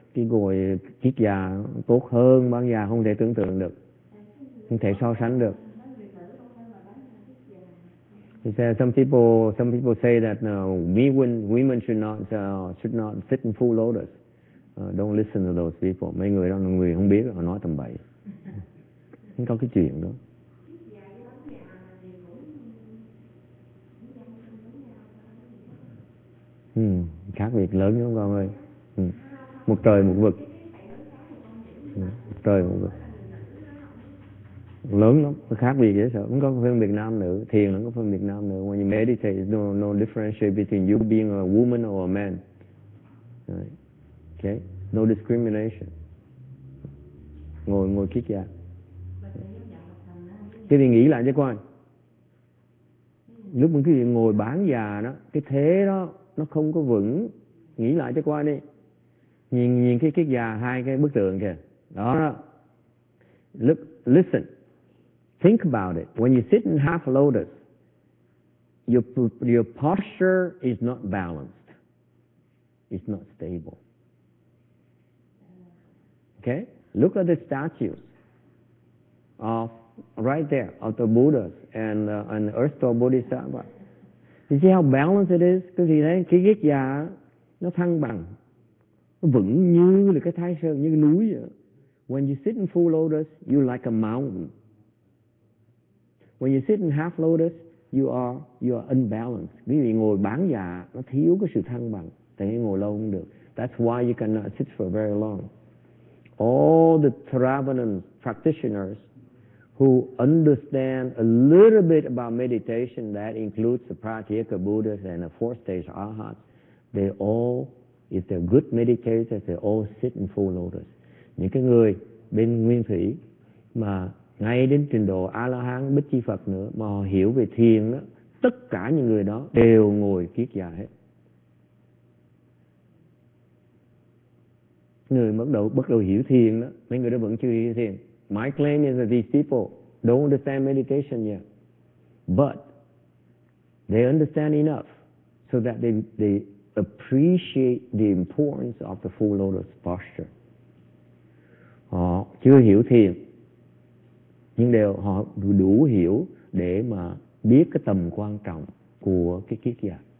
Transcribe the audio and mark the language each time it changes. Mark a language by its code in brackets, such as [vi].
[vi] Cái ngồi chiếc già tốt hơn bán già, không thể tưởng tượng được, không thể so sánh được. [en] He said some people say that women should not sit in full lotus. Don't listen to those people. [vi] Mấy người đó là người không biết họ nói tầm bậy. Không có cái chuyện đó. Khác biệt lớn lắm con ơi. Một trời một vực. Một trời một vực. Lớn lắm, khác biệt dễ sợ. Không có phân biệt nam nữ, thiền không có phân biệt nam nữ. [en] When you meditate, no differentiate between you being a woman or a man. Right. Okay? No discrimination. [vi] Ngồi kiết dạ. Thế thì nghĩ lại cho coi. Lúc mà cái gì ngồi bán già đó, cái thế đó nó không có vững. Nghĩ lại cho coi đi. Nhìn cái kiết già, hai cái bức tượng kìa. [en] Đó. Listen. Think about it. When you sit in half lotus, your posture is not balanced. It's not stable. Okay? Look at the statues of right there, of the Buddhas and the Earth-tall Bodhisattva. You see how balanced it is? [vi] Cái gì đấy? Cái kiết già nó thăng bằng. Nó vững như là cái thái sơn, như cái núi vậy. [en] When you sit in full lotus, you're like a mountain. When you sit in half lotus, you are unbalanced. [vi] Quý vị ngồi bán già, nó thiếu cái sự thăng bằng. Tại vì ngồi lâu không được. [en] That's why you cannot sit for very long. All the Theravada practitioners who understand a little bit about meditation, that includes the Pratyeka Buddhas and the four stage arhats, they all, if they're good meditators, they all sit in full lotus. [vi] Những cái người bên nguyên thủy mà ngay đến trình độ A-la-hán, Bích Chi Phật nữa, mà họ hiểu về thiền đó, tất cả những người đó đều ngồi kiết già hết. Người bắt đầu hiểu thiền đó, mấy người đó vẫn chưa hiểu thiền. [en] My claim is that these people don't understand meditation yet, but they understand enough so that they appreciate the importance of the full lotus posture. [vi] Họ chưa hiểu thiền, nhưng đều họ đủ hiểu để mà biết cái tầm quan trọng của cái kiết già.